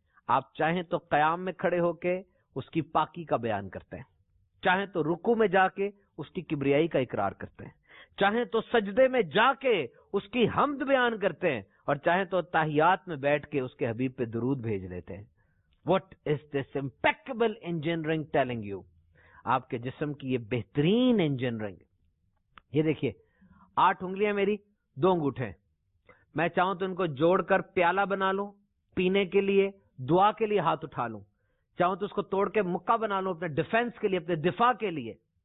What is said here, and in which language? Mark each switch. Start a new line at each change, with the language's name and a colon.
Urdu: آپ چاہیں تو قیام میں کھڑے ہو کے اس کی پاکی کا بیان کرتے ہیں, چاہیں تو رکوع میں جا کے اس کی کبریائی کا اقرار کرتے ہیں, چاہیں تو سجدے میں جا کے اس کی حمد بیان کرتے ہیں, اور چاہیں تو تحیات میں بیٹھ کے اس کے حبیب پہ درود بھیج لیتے ہیں.
English: What is this impeccable engineering telling you?
Urdu: آپ کے جسم کی یہ بہترین انجینئرنگ. یہ دیکھیے, آٹھ انگلیاں میری, دو انگوٹھے, میں چاہوں تو ان کو جوڑ کر پیالہ بنا لوں پینے کے لیے, دعا کے لیے ہاتھ اٹھا لوں, چاہوں تو اس کو توڑ کے مکہ بنا لوں اپنے ڈیفینس کے لیے, اپنے دفاع کے لیے.